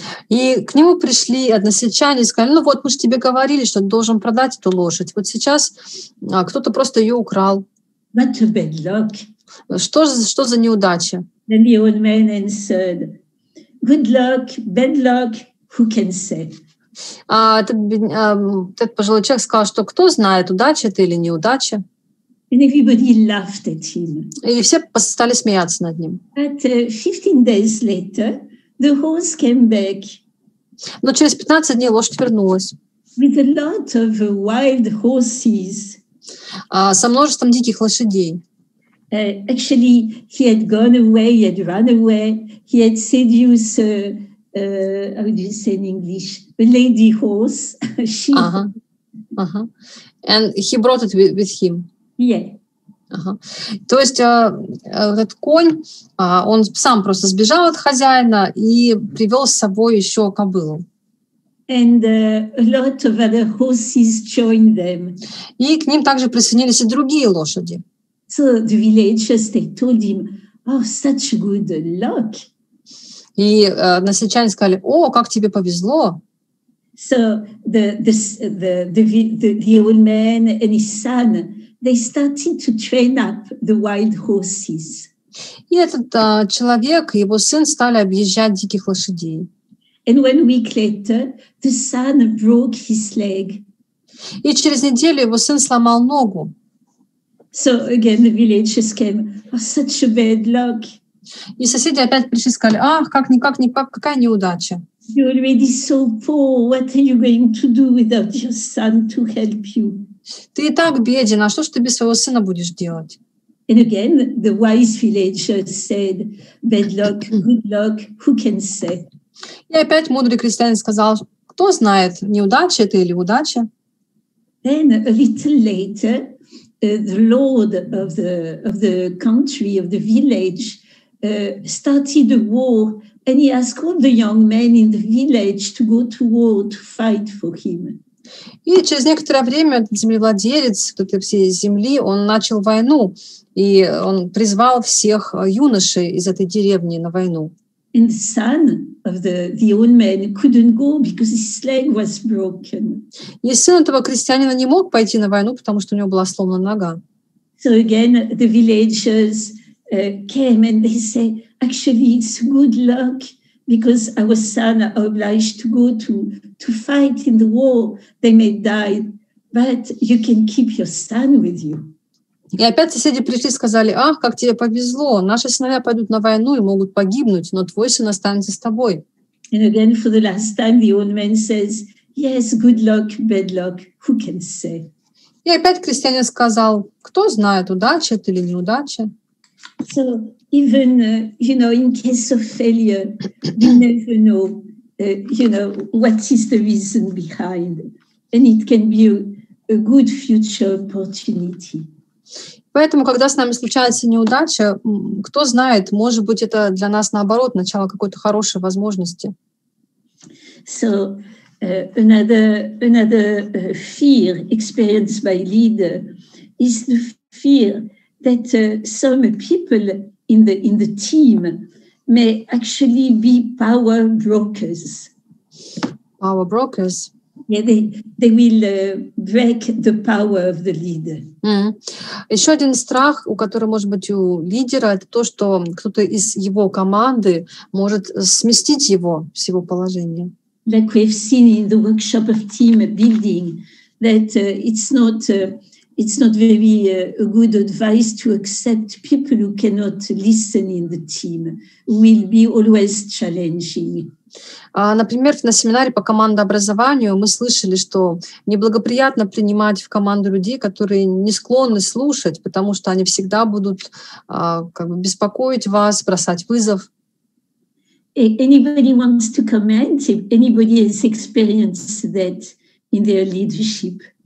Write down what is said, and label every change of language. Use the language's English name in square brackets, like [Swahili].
[Russian] И к нему пришли односельчане и сказали, ну вот мы же тебе говорили, что ты должен продать эту лошадь. Вот сейчас кто-то просто ее украл. [English] What a bad luck. [Russian] Что за неудача? [English] Then the old man answered, good luck, bad luck, who can say? [Russian] Этот пожилой человек сказал, что кто знает, удача это или неудача. [English] And everybody laughed at him. [Russian] И все стали смеяться над ним. [English] But 15 days later, the horse came back. [Russian] Но через 15 дней лошадь вернулась. [English] With a lot of wild horses. [Russian] Со множеством диких лошадей. [English] Actually, he had gone away, he had run away, he had seduced, how do you say in English, a lady horse. She. Uh-huh. Uh-huh. And he brought it with him. Yeah. Ага. [Russian] То есть этот конь, он сам просто сбежал от хозяина и привел с собой еще кобылу. [English] And a lot of other horses joined them. [Russian] И к ним также присоединились и другие лошади. [English] So the villagers, they told him, oh, such good luck. [Russian] И односельчане сказали, о, как тебе повезло. [English] So the old man and his son, they started to train up the wild horses. [Russian] И этот человек и его сын стали объезжать диких лошадей. [English] And 1 week later, the son broke his leg. [Russian] И через неделю его сын сломал ногу. [English] So again, the villagers came, oh, such a bad luck. [Russian] И соседи опять пришли и сказали, ах, как-никак, какая неудача. [English] You're already so poor, what are you going to do without your son to help you? [Russian] Ты и так беден, а что ж ты без своего сына будешь делать? [English] And again, the wise villager said, bad luck, good luck, who can say? [Russian] И опять мудрый крестьянин сказал, кто знает, неудача это или удача? [English] Then a little later, the lord of the country, of the village, started a war, and he asked all the young men in the village to go to war to fight for him. [Russian] И через некоторое время этот землевладелец, кто-то всей земли, он начал войну, и он призвал всех юношей из этой деревни на войну. [English] And the son of the old man couldn't go because his leg was broken. [Russian] И сын этого крестьянина не мог пойти на войну, потому что у него была сломана нога. [English] So again, the villagers came and they say, actually, it's good luck. Because our son are obliged to go to fight in the war, they may die, but you can keep your son with you. [Russian] И опять соседи пришли и сказали, ах, как тебе повезло, наши сыновья пойдут на войну и могут погибнуть, но твой сын останется с тобой. [English] And again, for the last time, the old man says, Yes, good luck, bad luck, who can say? [Russian] И опять крестьянин сказал, кто знает, удача это или неудача. [English] So even, you know, in case of failure, we never know, you know, what is the reason behind. And it can be a good future opportunity. [Russian] Поэтому, когда с нами случается неудача, кто знает, может быть, это для нас наоборот, начало какой-то хорошей возможности. [English] So, another fear experienced by leader is the fear that some people in the team may actually be power brokers. Power brokers. Yeah, they will break the power of the leader. Mm-hmm. [Russian] Еще один страх, у которого, может быть, у лидера, это то, что кто-то из его команды может сместить его с его положения. [English] Like we've seen in the workshop of team building, that it's not very a good advice to accept people who cannot listen in the team will be always challenging. [Russian] Например, на семинаре по командообразованию мы слышали, что неблагоприятно принимать в команду людей, которые не склонны слушать, потому что они всегда будут как бы беспокоить вас, бросать вызов. [English] Anybody wants to comment? Anybody has experienced that in their leadership?